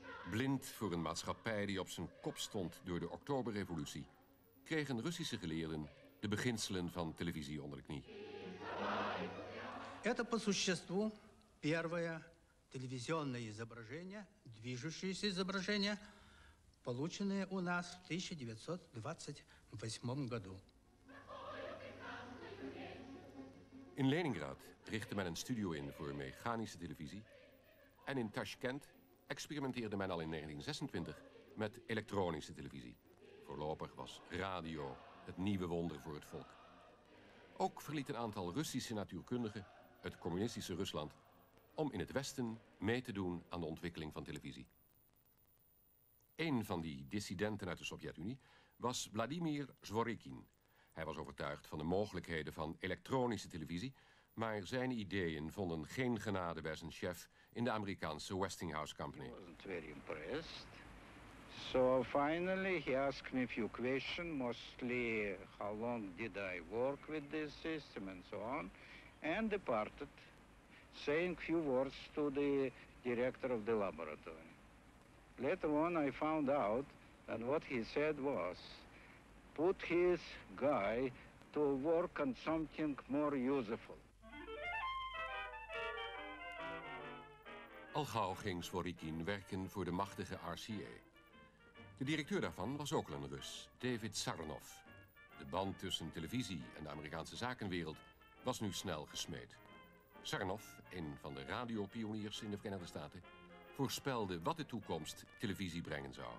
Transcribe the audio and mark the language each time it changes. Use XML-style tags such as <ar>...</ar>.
<nl>Blind voor een maatschappij die op zijn kop stond door de Oktoberrevolutie, kregen Russische geleerden de beginselen van televisie onder de knie.</nl> <ru>Это по существу первое телевизионное изображение, движущееся изображение, полученное у нас в 1928 году.</ru> <nl>In Leningrad richtte men een studio in voor mechanische televisie. En in Tashkent experimenteerde men al in 1926 met elektronische televisie. Voorlopig was radio het nieuwe wonder voor het volk. Ook verliet een aantal Russische natuurkundigen het communistische Rusland om in het Westen mee te doen aan de ontwikkeling van televisie. Een van die dissidenten uit de Sovjet-Unie was Vladimir Zvorikin. Hij was overtuigd van de mogelijkheden van elektronische televisie, maar zijn ideeën vonden geen genade bij zijn chef in de Amerikaanse Westinghouse Company. Hij was niet heel impressed.</nl> <en>So finally he asked me a few questions, mostly how long did I work with this system and so on, and departed, saying few words to the director of the laboratory. Later on I found out that what he said was, put his guy to work on something more useful.</en> <nl>Al gauw ging Svorikin werken voor de machtige RCA. De directeur daarvan was ook al een Rus, David Saranov. De band tussen televisie en de Amerikaanse zakenwereld was nu snel gesmeed. Saranov, een van de radiopioniers in de Verenigde Staten, voorspelde wat de toekomst televisie brengen zou.</nl>